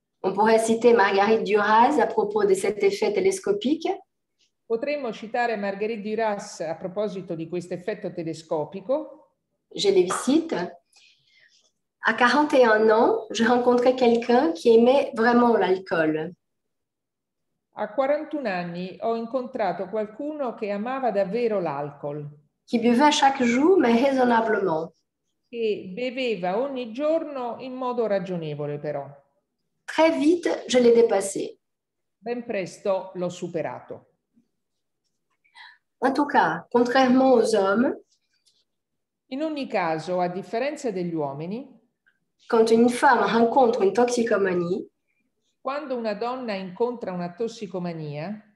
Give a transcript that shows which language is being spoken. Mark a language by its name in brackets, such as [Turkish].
[French] On pourrait citer Marguerite Duras à propos de cet effet télescopique. [Italian] Potremmo citare Marguerite Duras a proposito di questo effetto telescopico. [French] Je le cite. À 41 ans, je rencontrais quelqu'un qui aimait vraiment l'alcool. [Italian] A 41 anni ho incontrato qualcuno che amava davvero l'alcol. [French] Qui buvait chaque jour, mais raisonnablement. [Italian] Che beveva ogni giorno in modo ragionevole, però. [French] Très vite, je l'ai dépassé. [Italian] Ben presto l'ho superato. [French] En tout cas, contrairement aux hommes, [Italian] in ogni caso, a differenza degli uomini, [French] quand une femme rencontre une toxicomanie, [Italian] quando una donna incontra una tossicomania,